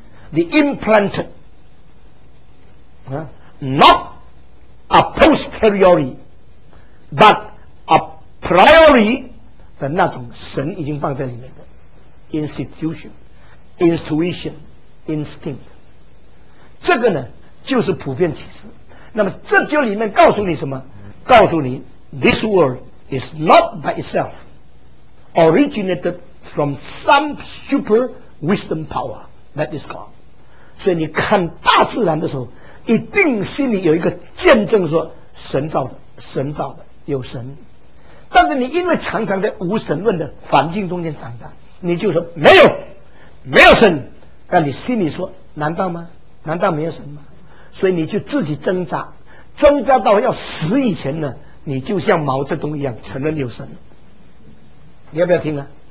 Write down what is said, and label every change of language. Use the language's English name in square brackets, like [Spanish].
[English] The implanted not a posteriori but a priori [Chinese] 的那种神已经放在里面的 [English] institution intuition instinct。 [Chinese] 这个呢就是普遍启示。那么这就里面告诉你什么？告诉你 [English] This world is not by itself originated from some super wisdom power that is God。 [Chinese] 所以你看大自然的时候一定心里有一个见证，说神造的，神造的，有神。但是你因为常常在无神论的环境中间长大，你就说没有，没有神。那你心里说难道吗？难道没有神吗？所以你就自己挣扎，挣扎到要死以前呢，你就像毛泽东一样承认有神。你要不要听啊？